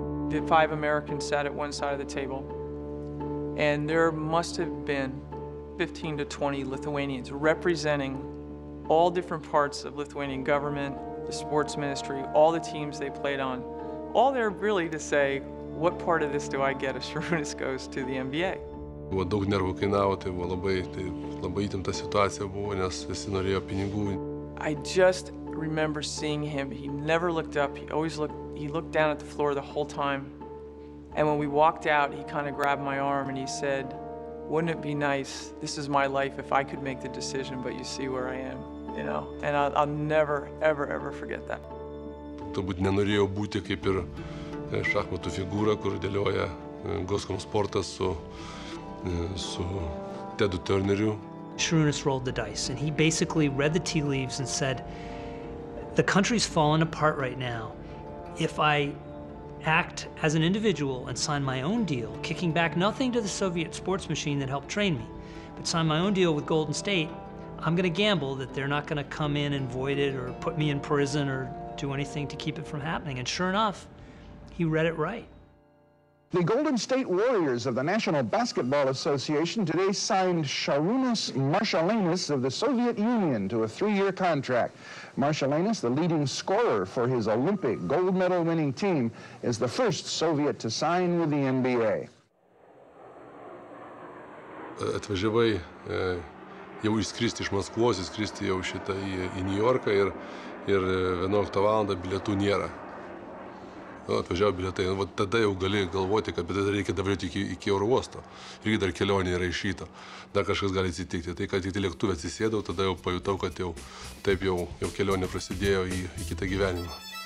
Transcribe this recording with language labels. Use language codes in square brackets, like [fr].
[en] The five Americans sat at one side of the table, and there must have been 15 to 20 Lithuanians representing all different parts of Lithuanian government, the sports ministry, all the teams they played on, all there really to say, what part of this do I get if Šarūnas goes to the NBA? [lt] Buvo daug nervų kainavo, tai buvo labai įtimta situacija buvo, nes visi norėjo pinigų. [en] I just remember seeing him. He never looked up. He looked down at the floor the whole time. And when we walked out, he kind of grabbed my arm and he said, wouldn't it be nice, this is my life, if I could make the decision, but you see where I am, you know? And I'll never, ever, ever forget that. Turbūt nenorėjau būti kaip ir šachmatų figūra, kur dėlioja Goskom sportas su Tedu Turneriu. Šarūnas rolled the dice, and he basically read the tea leaves and said, the country's falling apart right now. If I act as an individual and sign my own deal, kicking back nothing to the Soviet sports machine that helped train me, but sign my own deal with Golden State, I'm gonna gamble that they're not gonna come in and void it or put me in prison or do anything to keep it from happening. And sure enough, he read it right. The Golden State Warriors of the National Basketball Association today signed Šarūnas Marčiulionis of the Soviet Union to a three-year contract. Marčiulionis, the leading scorer for his Olympic gold medal winning team, is the first Soviet to sign with the NBA. [lt] Atvažiavai jau išskristi iš Maskvos, išskristi jau šitą į Niujorką ir 11 valandą bilietų nėra. Atvažiavo bilietai, tada jau gali galvoti, kad tada reikia davėti iki oro uosto. Irgi dar kelionė yra išryta. Dar kažkas gali atsitikti. Tai, kad tik lėktuvę atsisėdau, tada jau pajutau, kad jau taip jau kelionė prasidėjo į kitą gyvenimą.